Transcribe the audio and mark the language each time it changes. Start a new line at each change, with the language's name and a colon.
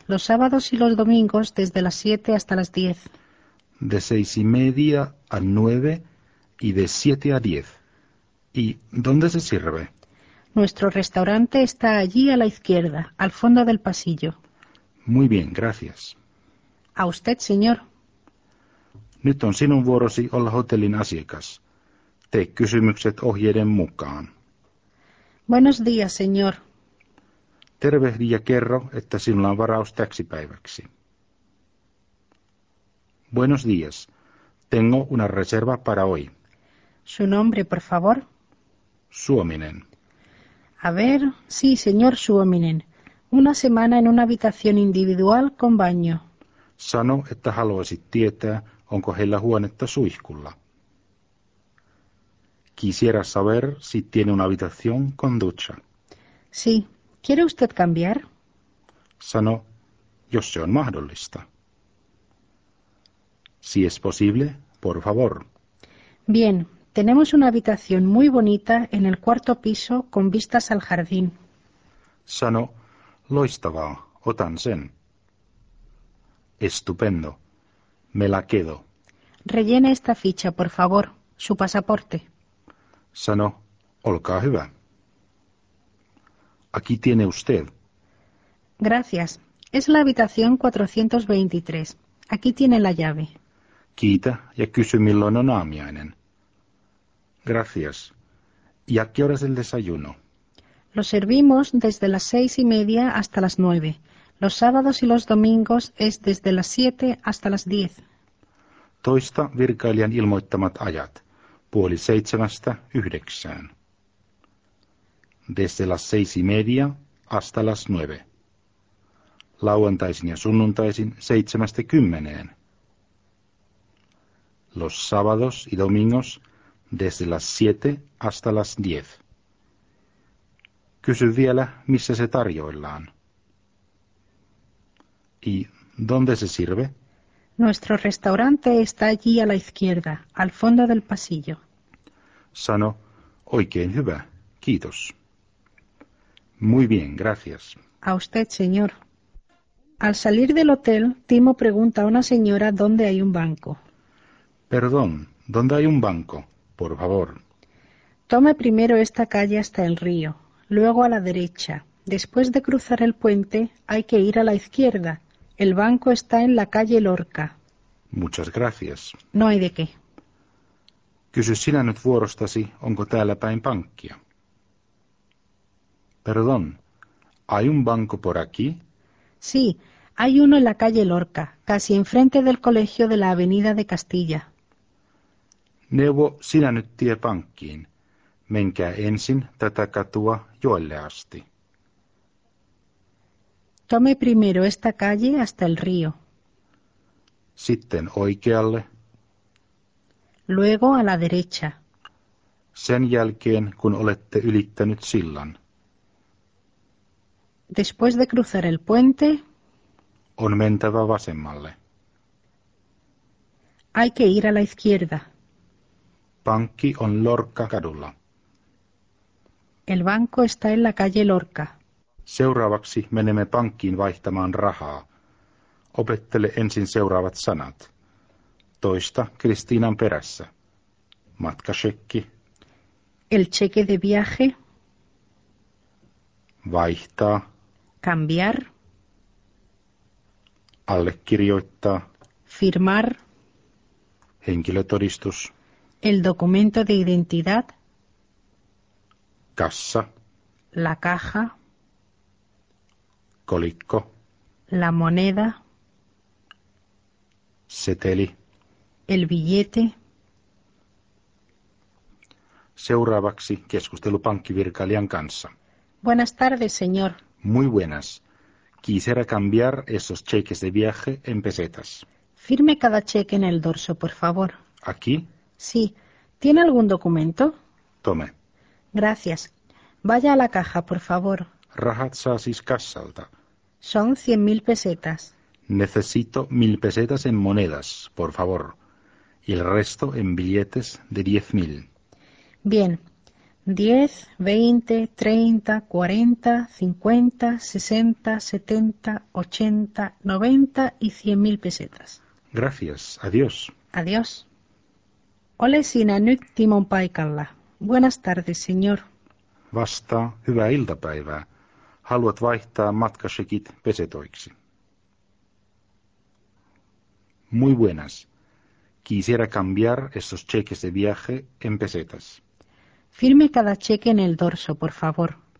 Spanish: Los sábados y los domingos desde las 7 hasta las 10. De 6:30 a 9 y de 7 a 10. ¿Y dónde se sirve? Nuestro restaurante está allí a la izquierda, al fondo del pasillo. Muy bien, gracias. A usted, señor.
Finnish: Nyt on sinun vuorosi olla hotellin asiakas. Tee kysymykset ohjeiden mukaan.
Spanish: Buenos días, señor.
Finnish: Tervehdi ja kerro, että sinulla on varaus täksipäiväksi.
Spanish: Buenos días. Tengo una reserva para hoy. Su nombre, por favor. Suominen. A ver, sí, señor Suominen. Una semana en una habitación individual con baño.
Finnish: Sano, että haluaisit tietää, onko heillä huonetta suihkulla.
Spanish: Quisiera saber si tiene una habitación con ducha. Sí. ¿Quiere usted cambiar?
Finnish: Sano, jos se on mahdollista.
Spanish: Si es posible, por favor. Bien, Tenemos una habitación muy bonita en el cuarto piso con vistas al jardín.
Finnish: Sano, loistavaa, otan sen.
Spanish: Estupendo, me la quedo. Rellene esta ficha, por favor, su pasaporte.
Finnish: Sano, olkaa hyvä.
Spanish: Aquí tiene usted. Gracias. Es la habitación 423. Aquí tiene la llave.
Finnish: Kiitä ja kysy milloin on aamiainen.
Spanish: Gracias. ¿Y a qué hora es el desayuno? Lo servimos desde las 6:30 hasta las 9. Los sábados y los domingos es desde las 7 hasta las 10.
Finnish: Toista virkailijan ilmoittamat ajat. 6:30-9.
Spanish: Desde las 6:30 hasta las 9.
Finnish: Lauantaisin ja sunnuntaisin 7:00.
Spanish: Los sábados y domingos desde las 7 hasta las 10.
Finnish: Kysy vielä, missä se tarjoillaan.
Spanish: ¿Y dónde se sirve? Nuestro restaurante está allí a la izquierda, al fondo del pasillo.
Finnish: Sano, oikein hyvä, kiitos.
Spanish: Muy bien, gracias. A usted, señor. Al salir del hotel, Timo pregunta a una señora dónde hay un banco. Perdón, ¿dónde hay un banco? Por favor. Tome primero esta calle hasta el río, luego a la derecha. Después de cruzar el puente, hay que ir a la izquierda. El banco está en la calle Lorca. Muchas gracias. No hay de qué.
Finnish: Kysy sinä nyt vuorostasi, onko täällä päin pankkia.
Spanish: Perdón, ¿hay un banco por aquí? Sí, hay uno en la calle Lorca, casi enfrente del colegio de la Avenida de Castilla.
Finnish: Neuvo sinä nyt tie pankkiin. Menkää ensin tätä katua joelle asti.
Spanish: Tome primero esta calle hasta el río.
Finnish: Sitten oikealle.
Spanish: Luego a la derecha.
Finnish: Sen jälkeen, kun olette ylittänyt sillan.
Spanish: Después de cruzar el puente,
Finnish: on mentävä vasemmalle.
Spanish: Hay que ir a la izquierda.
Finnish: Pankki on Lorca-kadulla.
Spanish: El banco está en la calle Lorca.
Finnish: Seuraavaksi menemme pankkiin vaihtamaan rahaa. Opettele ensin seuraavat sanat. Toista Kristiinan perässä. Matkashekki.
Spanish: El cheque de viaje.
Finnish: Vaihtaa.
Spanish: Cambiar.
Finnish: Allekirjoittaa.
Spanish: Firmar.
Finnish: Henkilötodistus.
Spanish: El documento de identidad.
Finnish: Kassa.
Spanish: La caja.
Finnish: Kolikko.
Spanish: La moneda.
Finnish: Seteli.
Spanish: El billete.
Finnish: Seuraavaksi keskustelu pankkivirkailijan kanssa.
Spanish: Buenas tardes, señor. Muy buenas. Quisiera cambiar esos cheques de viaje en pesetas. Firme cada cheque en el dorso, por favor. ¿Aquí? Sí. ¿Tiene algún documento? Tome. Gracias. Vaya a la caja, por favor.
Finnish: Rahat saa siis kassalta.
Spanish: Son 100.000 pesetas. Necesito 1.000 pesetas en monedas, por favor. Y el resto en billetes de 10.000. Bien. 10, 20, 30, 40, 50, 60, 70, 80, 90 y 100.000 pesetas. Gracias. Adiós. Adiós.
Finnish: Olesina nyt Timon paikalla.
Spanish: Buenas tardes, señor.
Finnish: Vasta, hyvää iltapäivää. Haluat vaihtaa matkashekit pesetoiksi.
Spanish: Muy buenas. Quisiera cambiar estos cheques de viaje en pesetas. Firme cada cheque en el dorso, por favor.